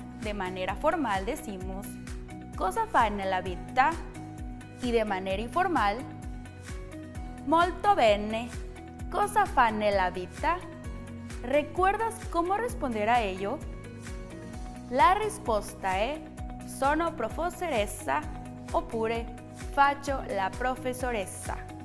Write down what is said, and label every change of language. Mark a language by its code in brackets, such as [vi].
[es] De manera formal decimos [it] cosa fa nella vita [es] y de manera informal [it] molto bene, cosa fa nella vita. [es] ¿Recuerdas cómo responder a ello? La respuesta es [it] sono professoressa oppure faccio la professoressa.